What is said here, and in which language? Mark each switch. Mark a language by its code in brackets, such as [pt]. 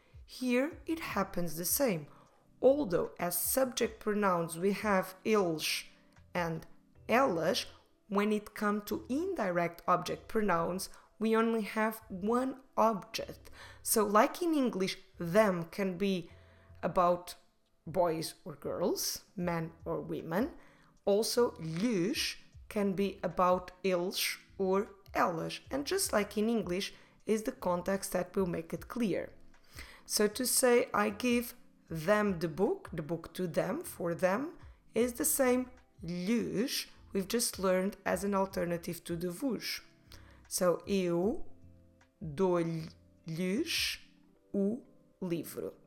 [en] Here it happens the same. Although as subject pronouns we have eles and elas, when it comes to indirect object pronouns, we only have one object. So like in English, them can be about boys or girls, men or women. Also, lhes can be about eles or elas. And just like in English, is the context that will make it clear. So to say I give them the book to them, for them, is the same lhes we've just learned as an alternative to the vos. [pt] So eu dou-lhes o livro.